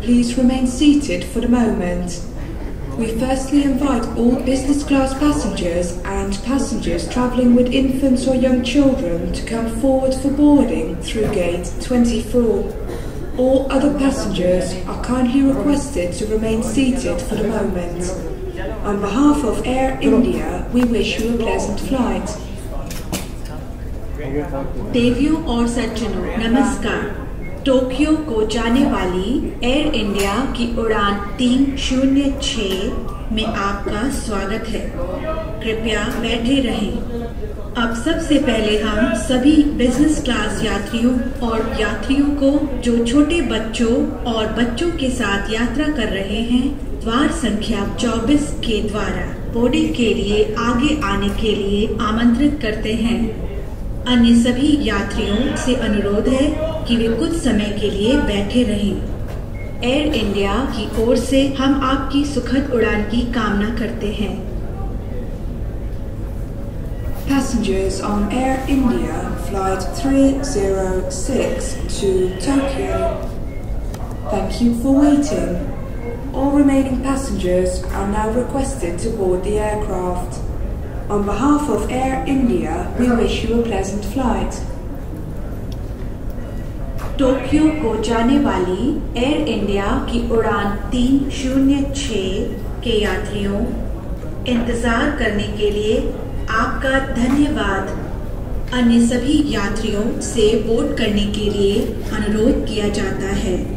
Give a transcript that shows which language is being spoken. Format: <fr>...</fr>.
<en>Please remain seated for the moment. We firstly invite all business class passengers and passengers travelling with infants or young children to come forward for boarding through gate 24. All other passengers are kindly requested to remain seated for the moment. On behalf of Air India, we wish you a pleasant flight.</en> <hi>Deviyo aur Sajjano, Namaskar. Tokyo को जाने वाली air India की उड़ान 306 में आपका स्वागत है। कृपया बैठे रहें। अब सबसे पहले हम सभी बिजनेस क्लास यात्रियों और यात्रियों को जो छोटे बच्चों और बच्चों के साथ यात्रा कर रहे हैं द्वार संख्या 24 के द्वारा बोर्डिंग के लिए आगे आने के लिए आमंत्रित करते हैं। अन्य सभी यात्रियों से अनुरोध है कि वे कुछ समय के लिए बैठे रहें। एयर इंडिया की ओर से हम आपकी सुखद उड़ान की कामना करते हैं।</hi> <en>Passengers on Air India Flight 306 to Tokyo, thank you for waiting. All remaining passengers are now requested to board the aircraft. On behalf of Air India, we wish you a pleasant flight.</en> <hi>Tokyo को जाने वाली air India की उड़ान 306 के यात्रियों, इंतजार करने के लिए आपका धन्यवाद। अन्य सभी यात्रियों से बोर्ड करने के लिए अनुरोध किया जाता है।</hi>